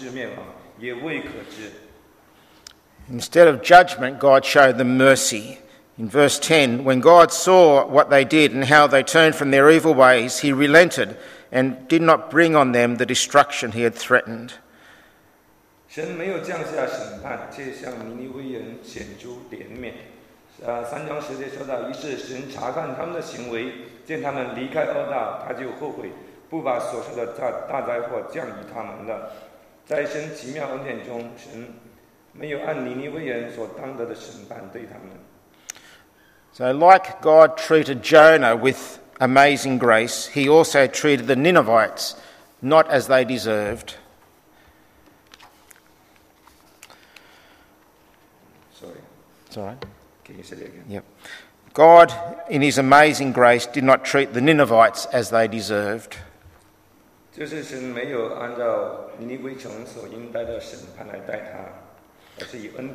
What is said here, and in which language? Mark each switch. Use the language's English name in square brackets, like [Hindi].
[English] It is not known yet.'" Instead of judgment, God showed them mercy. In verse 10, when God saw what they did and how they turned from their evil ways, he relented and did not bring on them the destruction he had threatened. [Chinese] 神没有降下审判，却向尼尼微人显出怜悯。三章十节说到，于是神查看他们的行为，见他们离开恶道，他就后悔，不把所受的大灾祸降于他们了。在神奇妙恩典中，神没有按尼尼微人所当得的审判对他们。 [English] So like God treated Jonah with amazing grace, he also treated the Ninevites not as they deserved. Sorry. It's all right. Can you say that again? Yep. God, in his amazing grace, did not treat the Ninevites as they deserved. [Chinese] 就是神没有按照尼尼微城所应该的审判来待他。